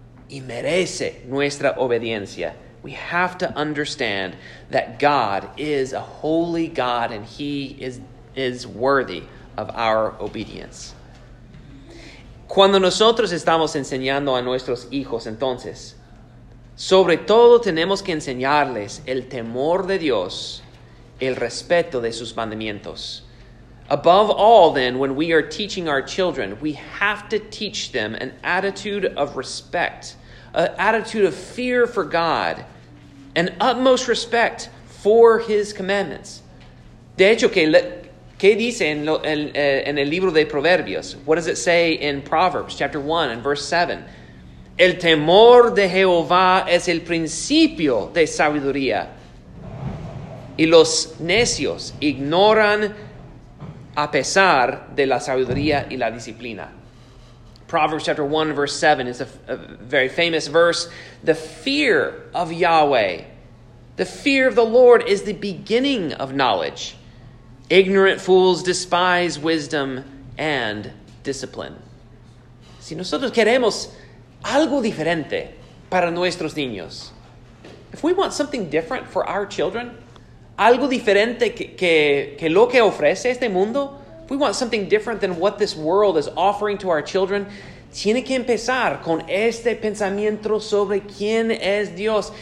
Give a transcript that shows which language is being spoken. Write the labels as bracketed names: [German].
[Spanish] Y merece nuestra obediencia. [English] We have to understand that God is a holy God and He is worthy of our obedience. [Spanish] Cuando nosotros estamos enseñando a nuestros hijos, entonces, Sobre todo tenemos que enseñarles el temor de Dios, el respeto de sus mandamientos. [English] Above all, then, when we are teaching our children, we have to teach them an attitude of respect, an attitude of fear for God, an utmost respect for His commandments. [Spanish] De hecho, ¿qué dice en el libro de Proverbios? [English] What does it say in Proverbs chapter 1 and verse 7? [Spanish] El temor de Jehová es el principio de sabiduría. Y los necios ignoran a pesar de la sabiduría y la disciplina. [English] Proverbs chapter 1 verse 7 is a very famous verse. The fear of Yahweh, the fear of the Lord is the beginning of knowledge. Ignorant fools despise wisdom and discipline. [Spanish] Si nosotros queremos algo diferente para nuestros niños, [English] if we want something different for our children, [Spanish] algo diferente que lo que ofrece este mundo, [English] if we want something different than what this world is offering to our children, [Spanish] tiene que empezar con este pensamiento sobre quién es Dios.